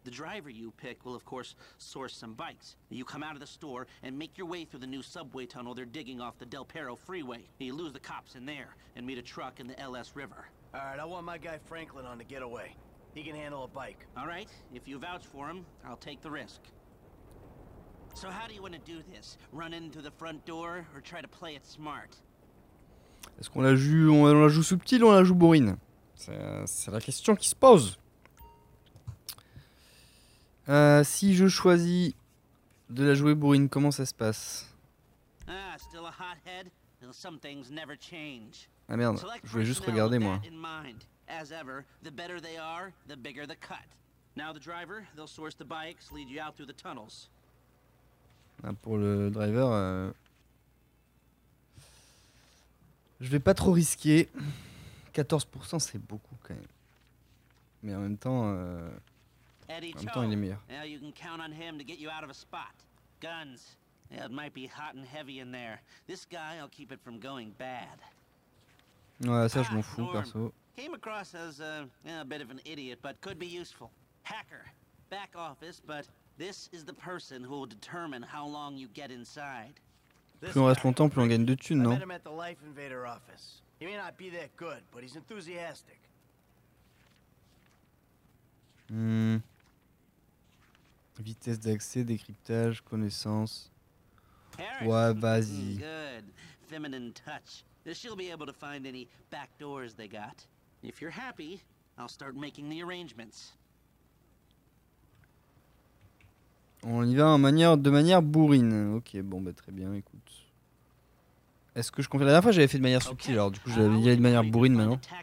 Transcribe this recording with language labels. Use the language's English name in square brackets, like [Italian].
[English] The driver you pick will, of course, source some bikes. You come out of the store and make your way through the new subway tunnel they're digging off the Del Perro freeway. You lose the cops in there and meet a truck in the LS River. All right, I want my guy Franklin on the getaway. He can handle a bike. All right, if you vouch for him, I'll take the risk. So how do you want to do this? Run into the front door or try to play it smart? [French] Est-ce qu'on la joue, on la joue subtile ou on la joue bourrine? C'est la question qui se pose. Si je choisis de la jouer bourrine, comment ça se passe? [English] Ah, still a hothead? Some things never change. [French] Ah merde, je voulais juste regarder moi. [English] As ever, the better they are, the bigger the cut. Now the driver, they'll source the bikes, lead you out through the tunnels. [French] Ah, pour le driver, je vais pas trop risquer. 14% c'est beaucoup quand même. Mais en même temps, il est meilleur. [English] Now you can count on him to get you out of a spot. Guns. Yeah, it might be hot and heavy in there. This guy, I'll keep it from going bad. [French] Ouais, ça je m'en fous perso. [English] Came across as a bit of an idiot, but could be useful. Hacker. Back office, but this is the person who will determine how long you get inside. [French] Plus on reste longtemps, plus on gagne de thunes, non? [English] I met him at the Life Invader office. He may not be that good, but he's enthusiastic. [French] Vitesse d'accès, décryptage, connaissance. Ouais, vas-y. [English] Good. Feminine touch. She'll be able to find any back doors they got. If you're happy, I'll start making the arrangements. [French] On y va en manière, de manière bourrine. Ok, bon, bah très bien, écoute. Est-ce que je confie... La dernière fois, j'avais fait de manière subtile, alors du coup, j'avais dit de manière bourrine maintenant.